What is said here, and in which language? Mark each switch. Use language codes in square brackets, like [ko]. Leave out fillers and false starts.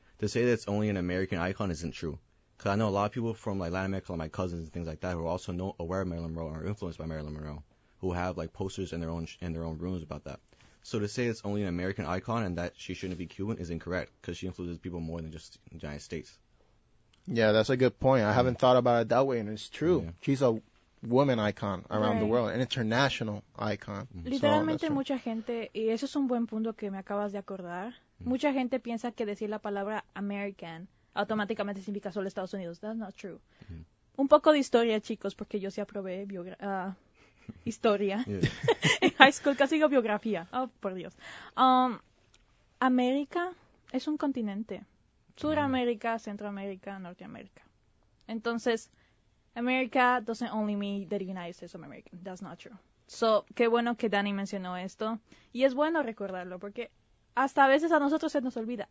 [en] To say that it's only an American icon isn't true. Because I know a lot of people from like Latin America, like my cousins and things like that, who are also aware of Marilyn Monroe and are influenced by Marilyn Monroe, who have like posters in their own rooms about that. So to say it's only an American icon and that she shouldn't be Cuban is incorrect, because she influences people more than just the United States. Yeah, that's a good point. I haven't thought about it that way, and it's true. Yeah. She's a woman icon around the world, an international icon. [es] Literalmente, so mucha gente, y eso es un buen punto que me acabas de acordar, mucha gente piensa que decir la palabra American automáticamente significa solo Estados Unidos. [en] That's not true. [es] Mm-hmm. Un poco de historia, chicos, porque yo sí aprobé historia. Yeah. En high school casi digo biografía. Oh, por Dios. América es un continente. Suramérica, Centroamérica, Norteamérica. [en] Entonces, America doesn't only mean that the United States of America. That's not true. So, [es] qué bueno que Danny mencionó esto. Y es bueno recordarlo, porque hasta a veces a nosotros se nos olvida.